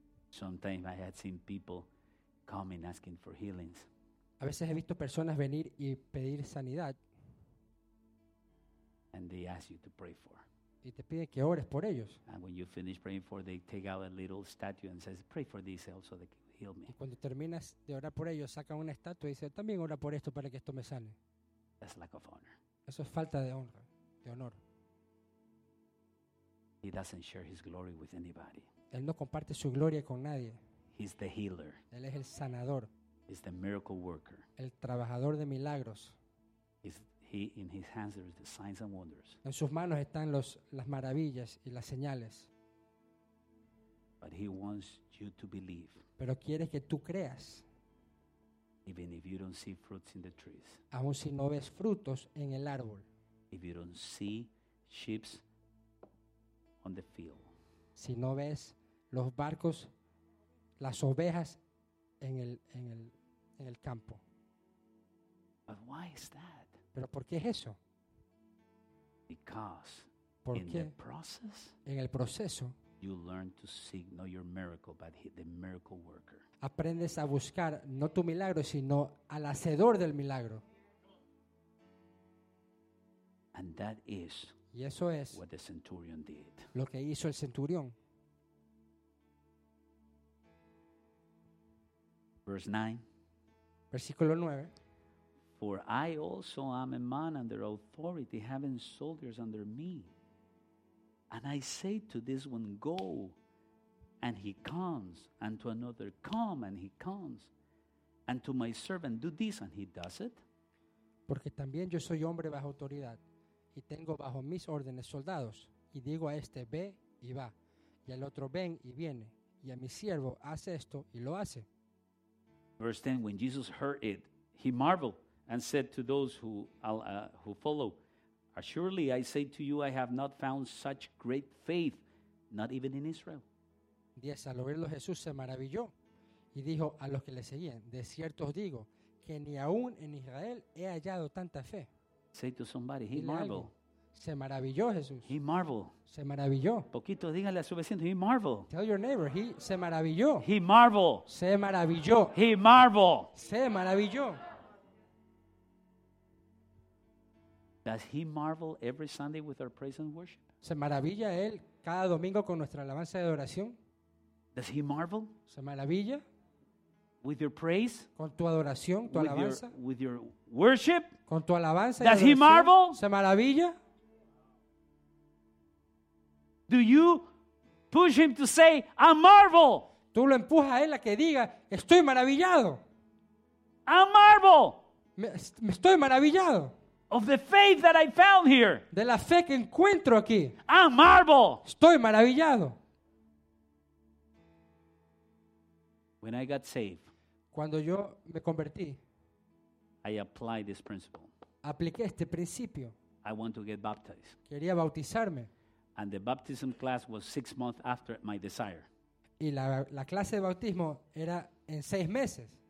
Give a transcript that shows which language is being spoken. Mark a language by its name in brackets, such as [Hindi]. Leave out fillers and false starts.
[English] Sometimes I had seen people come and asking for healings. [Spanish] A veces he visto personas venir y pedir sanidad. [English] And they ask you to pray for. [Spanish] Y te piden que ores por ellos. [English] And when you finish praying for, they take out a little statue and says, "Pray for this also, they can heal me." [Spanish] Y cuando terminas de orar por ellos, sacan una estatua y dicen, "También ora por esto para que esto me sane." [English] That's lack of honor. [Spanish] Eso es falta de honra, de honor. [English] He doesn't share his glory with anybody. [Spanish] Él no comparte su gloria con nadie. [English] He's the healer. [Spanish] Él es el sanador. [English] He's the miracle worker. [Spanish] El trabajador de milagros. [English] In his hands there is the signs and wonders. [Spanish] En sus manos están las maravillas y las señales. [English] But he wants you to believe. [Spanish] Pero quiere que tú creas. [English] Even if you don't see fruits in the trees. [Spanish] Aun si no ves frutos en el árbol. [English] If you don't see sheep on the field. [Spanish] Si no ves los barcos, las ovejas en el campo. [English] But why is that? [Spanish] ¿Pero por qué es eso? [English] Because [Spanish] porque [English] in the process, [Spanish] en el proceso, [English] you learn to seek not your miracle, but the miracle worker. [Spanish] Aprendes a buscar no tu milagro, sino al hacedor del milagro. [English] And that is, [Spanish] y eso es [English] what the centurion did. [Spanish] Lo que hizo el centurión. [English] Verse 9. [Spanish] Versículo 9. [English] For I also am a man under authority, having soldiers under me. And I say to this one, go, and he comes. And to another, come, and he comes. And to my servant, do this, and he does it. [Spanish] Porque también yo soy hombre bajo autoridad, y tengo bajo mis órdenes soldados. Y digo a este, ve, y va. Y al otro, ven, y viene. Y a mi siervo, hace esto, y lo hace. [English] Verse 10, when Jesus heard it, he marveled and said to those who follow, assuredly I say to you, I have not found such great faith, not even in Israel. [Spanish] 10, al oírlo Jesús se maravilló y dijo a los que le seguían, de cierto os digo que ni aún en Israel he hallado tanta fe. [English] Say to somebody, he marveled. [Spanish] Se maravilló Jesús. [English] He marveled. [Spanish] Se maravilló. Poquito, dígale a su vecino, [English] he marveled. Tell your neighbor, he [Spanish] se maravilló. [English] He marveled. [Spanish] Se maravilló. [English] He marveled. [Spanish] Se maravilló. [English] Does he marvel every Sunday with our praise and worship? [Spanish] Se maravilla él cada domingo con nuestra alabanza de adoración. [English] Does he marvel? [Spanish] Se maravilla. [English] With your praise? [Spanish] Con tu adoración, tu alabanza. [English] With your worship? [Spanish] Con tu alabanza. [English] Does he marvel? [Spanish] Se maravilla. [English] Do you push him to say, I'm marvel? [Spanish] Tú lo empujas a él a que diga, estoy maravillado. [English] I'm marvel. [Spanish] Me estoy maravillado. [English] Of the faith that I found here. [Spanish] De la fe que encuentro aquí. [English] I'm marvel. [Spanish] Estoy maravillado. [English] When I got saved. [Spanish] Cuando yo me convertí. [English] I applied this principle. [Spanish] Apliqué este principio. [English] I want to get baptized. [Spanish] Quería bautizarme. [English] And the baptism class was 6 months after my desire. [Spanish] Y la clase de bautismo era en 6 meses.